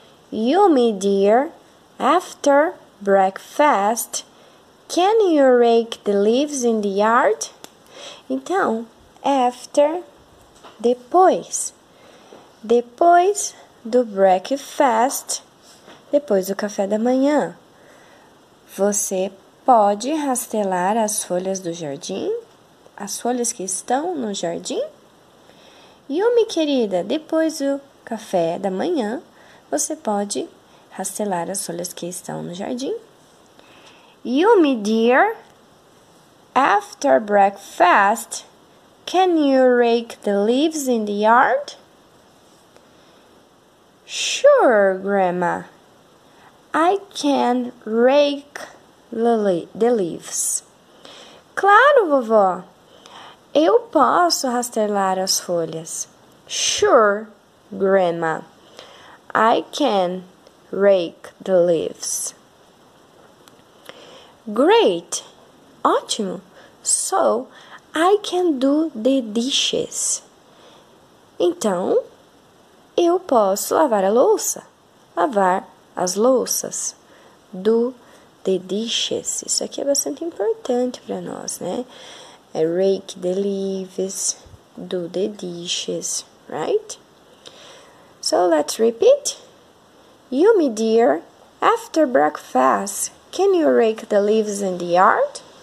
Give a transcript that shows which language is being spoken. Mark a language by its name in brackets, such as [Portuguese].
[English] You, me, dear, after breakfast, can you rake the leaves in the yard? [Portuguese] Então, after, depois. Depois do breakfast, depois do café da manhã, você pode rastelar as folhas do jardim? As folhas que estão no jardim? Yumi, querida, depois do café da manhã, você pode rastelar as folhas que estão no jardim? [English] Yumi, dear, after breakfast, can you rake the leaves in the yard? Sure, Grandma. I can rake the leaves. [Portuguese] Claro, vovó. Eu posso rastelar as folhas. [English] Sure, Grandma. I can rake the leaves. Great. Ótimo. So, I can do the dishes. [Portuguese] Então, eu posso lavar a louça. Lavar as louças. [English] Do the dishes. [Portuguese] Isso aqui é bastante importante para nós, né? [English] É rake the leaves, do the dishes, right? So, let's repeat. Yumi, dear, after breakfast, can you rake the leaves in the yard?